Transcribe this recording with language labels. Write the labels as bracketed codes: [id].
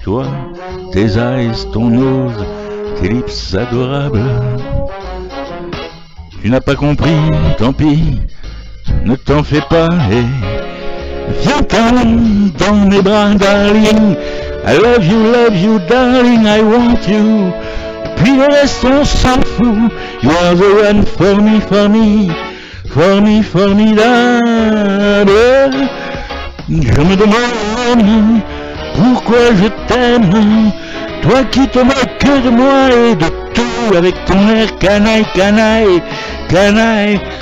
[fr] Toi, tes [en] eyes, [fr] ton [en] nose, [fr] tes [en] lips [fr] adorables. Tu n'as pas compris, tant pis, ne t'en fais pas et viens t'en dans mes bras, darling. [en] I love you, darling, I want you. [fr] Puis le reste, on s'en fout. [en] You are the one for me, for me, for me, formidable. [fr] Je me demande pourquoi je t'aime, toi qui te moques de moi et de tout, avec ton air canaille, canaille, canaille.